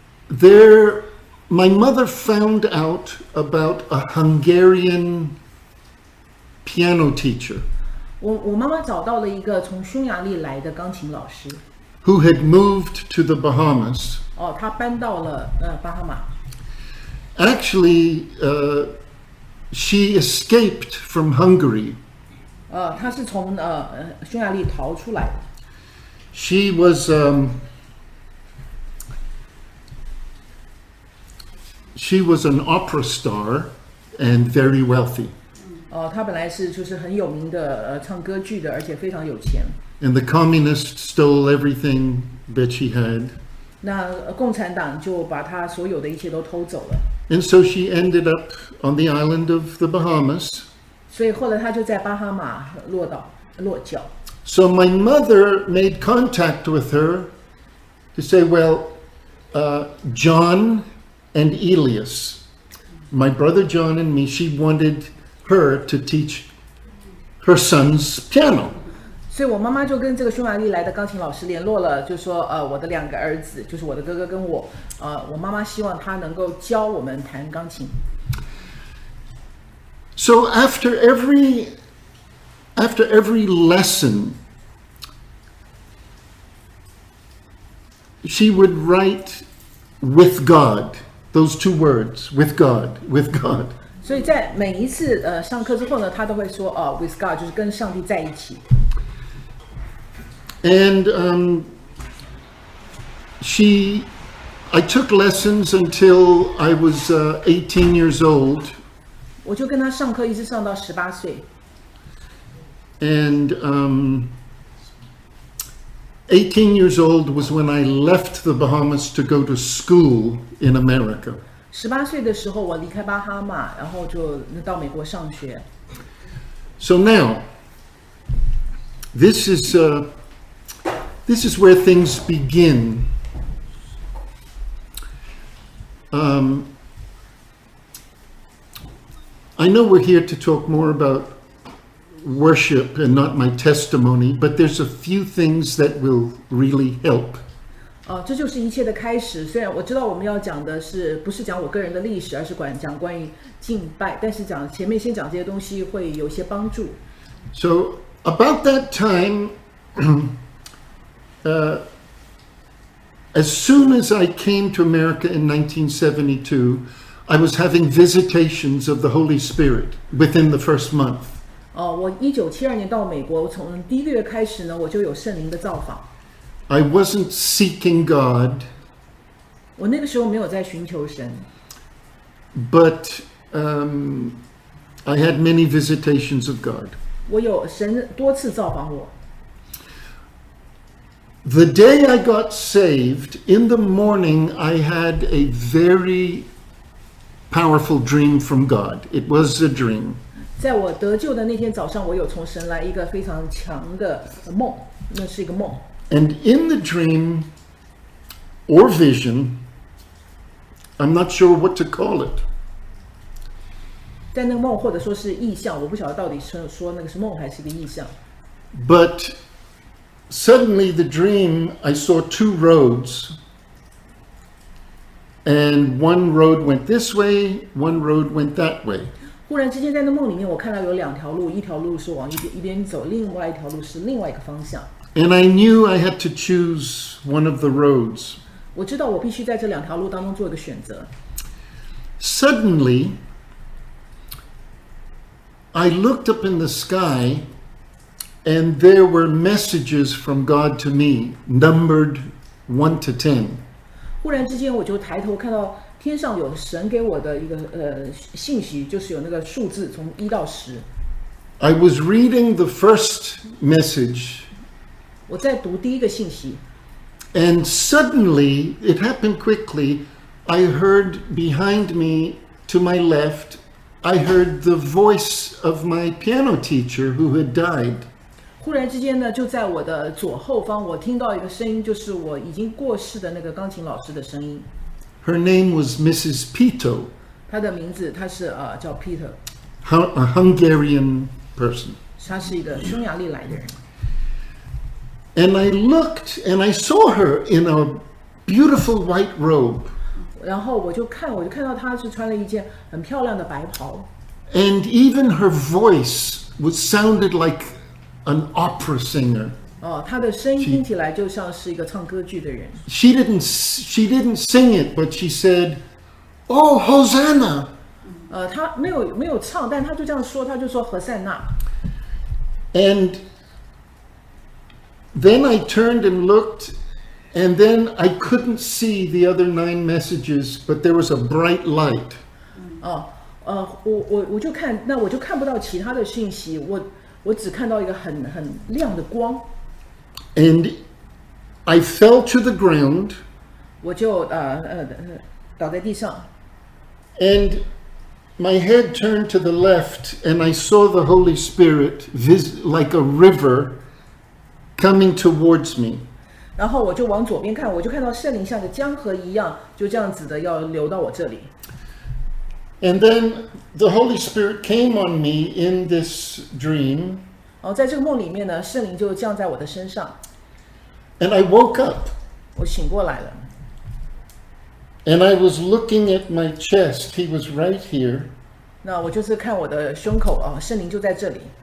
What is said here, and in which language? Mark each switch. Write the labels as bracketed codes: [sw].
[en] there, my mother found out about a Hungarian piano teacher. [zh] 我妈妈找到了一个从匈牙利来的钢琴老师 [en] who had moved to the Bahamas. [zh] 他搬到了巴哈马。 [en] Actually, she escaped from Hungary. [zh] 她是从匈牙利逃出来的。 [en] She was, she was an opera star and very wealthy. [zh] 她本来是就是很有名的唱歌剧的而且非常有钱。 [en] And the communists stole everything that she had. [zh] 那共产党就把她所有的一切都偷走了。 [en] And so she ended up on the island of the Bahamas. [zh] 所以后来她就在巴哈马落脚。 [en] So my mother made contact with her to say, well, John and Elias, my brother John and me, she wanted her to teach her son's piano. [zh] 所以我妈妈就跟这个匈牙利来的钢琴老师联络了，就说我的两个儿子，就是我的哥哥跟我，我妈妈希望他能够教我们弹钢琴。 [en] So after every lesson, she would write with God, those two words, with God, with God. [zh] 所以在每一次上课之后呢，她都会说 [en] with God, [zh] 就是跟上帝在一起。 [en] And I took lessons until I was 18 years old. [zh] 我就跟她上课一直上到18岁。 [en] And 18 years old was when I left the Bahamas to go to school in America. [zh] 18岁的时候我离开巴哈马然后就到美国上学。 [en] So now, this is where things begin. I know we're here to talk more about worship and not my testimony, but there's a few things that will really help. [zh] 这就是一切的开始。虽然我知道我们要讲的是不是讲我个人的历史，而是讲关于敬拜，但是讲前面先讲这些东西会有些帮助。 [en] So about that time, as soon as I came to America in 1972, I was having visitations of the Holy Spirit within the first month. [zh] 我1972年到美国，从第一个月开始呢，我就有圣灵的造访。 [en] I wasn't seeking God. [zh] 我那个时候没有在寻求神。 [en] But I had many visitations of God. [zh] 我有神多次造访我。 [en] The day I got saved, in the morning, I had a very powerful dream from God. It was a dream. [zh] 在我得救的那天早上，我有从神来一个非常强的梦，那是一个梦。 [en] And in the dream or vision, I'm not sure what to call it. [zh] 在那个梦或者说是意象，我不晓得到底是说那个是梦还是一个意象。 [en] But suddenly the dream, I saw two roads. And one road went this way, one road went that way. [zh] 忽然之间在那梦里面我看到有两条路，一条路是往一边走，另外一条路是另外一个方向。 [en] And I knew I had to choose one of the roads. [zh] 我知道我必须在这两条路当中做一个选择。 [en] Suddenly, I looked up in the sky, and there were messages from God to me, numbered 1 to 10. [zh] 忽然之间，我就抬头看到天上有神给我的一个信息，就是有那个数字从一到十。 [en] I was reading the first message. [zh] 我在读第一个信息。 [en] And suddenly, it happened quickly. I heard behind me, to my left, I heard the voice of my piano teacher who had died. [zh] 忽然之间呢，就在我的左后方，我听到一个声音，就是我已经过世的那个钢琴老师的声音。 [en] Her name was Mrs. Pito. [zh] 她的名字，她是叫 Peter. [en] A Hungarian person. [zh] 她是一个匈牙利来的人。 [en] And I looked and I saw her in a beautiful white robe. [zh] 然后我就看到她是穿了一件很漂亮的白袍。 [en] And even her voice was sounded like an opera singer. [zh] 哦，她的声音听起来就像是一个唱歌剧的人。 [en] She didn't sing it, but she said, "Oh, Hosanna!" [zh] 她没有唱，但她就这样说，她就说何塞纳。 [en] And then I turned and looked, and then I couldn't see the other 9 messages, but there was a bright light. [zh] 我就看不到其他的信息，我只看到一个很亮的光。 [en] And I fell to the ground. [zh] 我就倒在地上。 [en] And my head turned to the left, and I saw the Holy Spirit like a river. Coming towards me. [zh] 然后我就往左边看，我就看到圣灵像个江河一样，就这样子的要流到我这里。 [en] And then the Holy Spirit came on me in this dream. [zh] 然后在这个梦里面呢，圣灵就降在我的身上。 [en] And I woke up. [zh] 我醒过来了。 [en] And I was looking at my chest. He was right here. [zh] 那我就是看我的胸口啊，圣灵就在这里。